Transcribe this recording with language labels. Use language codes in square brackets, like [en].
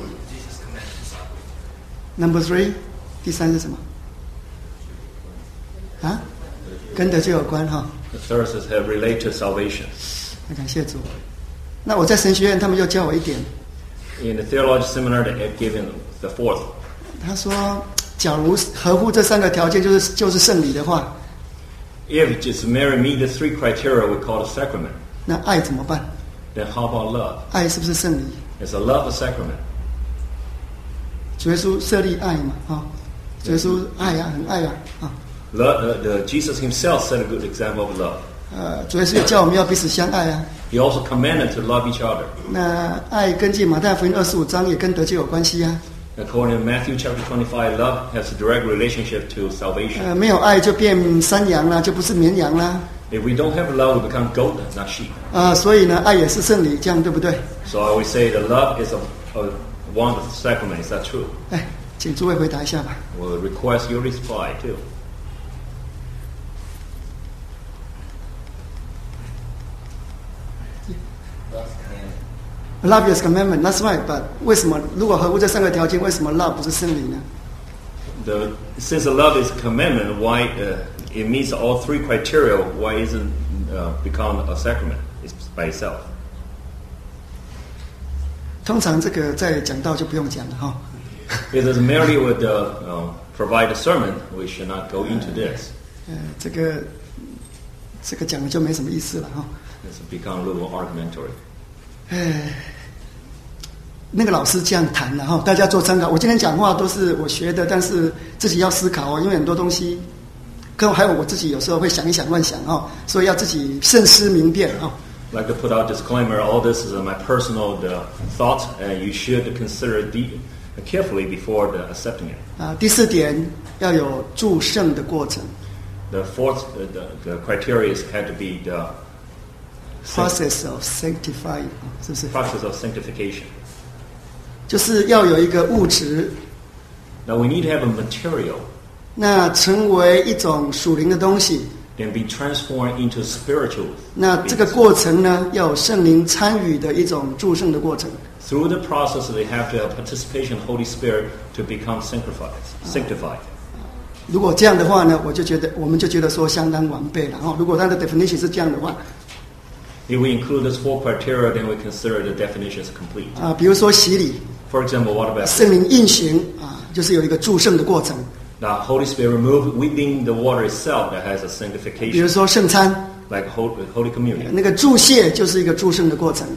[en] Jesus commanded disciples. Number three? [zh] 第三是什么？跟得救有关哈。 [en] The third is have related to salvation. [zh] 感谢主。那我在神学院他们又教我一点。 [en] In the theology seminar, they have given the fourth. [zh] 他说，假如合乎这三个条件就是圣礼的话。 [en] If it just merely meet the three criteria we call a sacrament, [zh] 那爱怎么办？ [en] Then how about love? [zh] 爱是不是圣礼？ [en] Is a love a sacrament? [zh] 主耶稣设立爱嘛，主耶稣爱啊，很爱啊， [en] The Jesus himself set a good example of love. [zh] 主耶稣也叫我们要彼此相爱啊。 [en] He also commanded to love each other. [zh] 那爱根据马太福音25章也跟得救有关系啊。 [en] According to Matthew chapter 25, love has a direct relationship to salvation. [zh] 没有爱就变山羊了，就不是绵羊了。 [en] If we don't have love, we become goat, not sheep. [zh] 所以呢，爱也是圣礼，这样对不对 [en] ？So I would say that love is a one of the sacraments. Is that true? [zh] 请诸位回答一下吧。 [en] We'll request your reply too. Love is commandment. That's right. But [zh] 为什么如果合乎这三个条件，为什么 love 不是圣礼呢？ [en] Since love is commandment, why it meets all three criteria? Why isn't become a sacrament by itself? [zh] 通常这个在讲道就不用讲了哈。 [en] It is merely with the provide a sermon. We should not go into this. [zh] 这个讲了就没什么意思了哈。 [en] It's become a little argumentary. [zh] 那个老师这样谈了，大家做参考。我今天讲话都是我学的，但是自己要思考哦，因为很多东西，跟还有我自己有时候会想一想乱想哦，所以要自己慎思明辨哦。 [en] Like to put out disclaimer, all this is my personal thought, and you should consider carefully before accepting it. [zh] 第四点要有祝圣的过程。 [en] The fourth the criteria is had to be the process of sanctifying, [zh] 是不是 [en] process of sanctification. [zh] 就是要有一个物质。 [en] Now we need to have a material. [zh] 那成为一种属灵的东西。 [en] Then be transformed into spiritual. [zh] 那这个过程呢，要有圣灵参与的一种祝圣的过程。 [en] Through the process, they have to have participation of the Holy Spirit to become sanctified. [zh] 如果这样的话呢，我们就觉得说相当完备了。如果它的 definition 是这样的话。 [en] If we include those four criteria, then we consider the definition is complete. [zh] 比如说洗礼。 [en] For example, water baptism. [zh] 圣灵运行就是有一个注圣的过程。 [en] Now, Holy Spirit removed within the water itself that has a sanctification. [zh] 比如说圣餐。 [en] Like Holy Communion. [zh] 那个注谢就是一个注圣的过程。